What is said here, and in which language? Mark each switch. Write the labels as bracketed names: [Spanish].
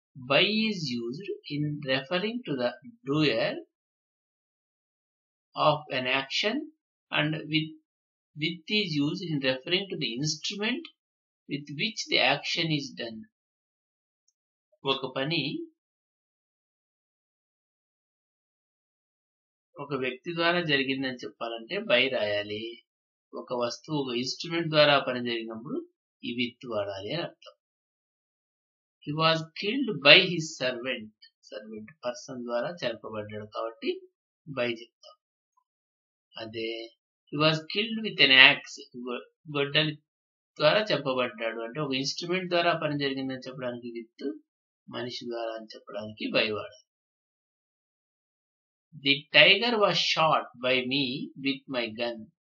[English] By is used in referring to the doer of an action, and with is used in referring to the instrument with which the action is done. [Telugu] Oka pani ఒక వ్యక్తి ద్వారా జరిగిందని చెప్పాలంటే by రాయాలి. ఒక వస్తువు ఒక instrument ద్వారా పని జరిగినప్పుడు ఈ విత్ వాడాలి అని అర్థం. [English] he was killed by his servant [Telugu] person ద్వారా చంపబడ్డాడు కాబట్టి బై చెప్తాం. అదే [English] he was killed with an axe, [Telugu] గొడ్డలి ద్వారా చంపబడ్డాడు అంటే ఒక ఇన్స్ట్రుమెంట్ ద్వారా పని జరిగిందని చెప్పడానికి విత్, మనిషి ద్వారా అని చెప్పడానికి బై వాడాలి. [English] The tiger was shot by me with my gun.